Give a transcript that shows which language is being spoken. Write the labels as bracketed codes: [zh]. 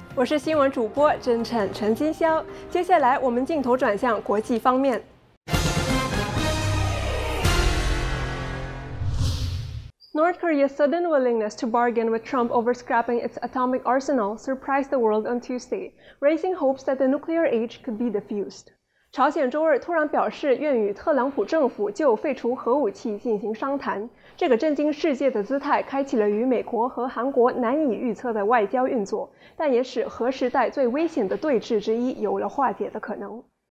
[zh] 我是新闻主播真诚陈金霄。接下来我们镜头转向国际方面， [en] North Korea's sudden willingness to bargain with Trump over scrapping its atomic arsenal surprised the world on Tuesday, raising hopes that the nuclear age could be defused. [zh] 朝鲜周二突然表示愿与特朗普政府就废除核武器进行商谈，这个震惊世界的姿态开启了与美国和韩国难以预测的外交运作，但也使核时代最危险的对峙之一有了化解的可能。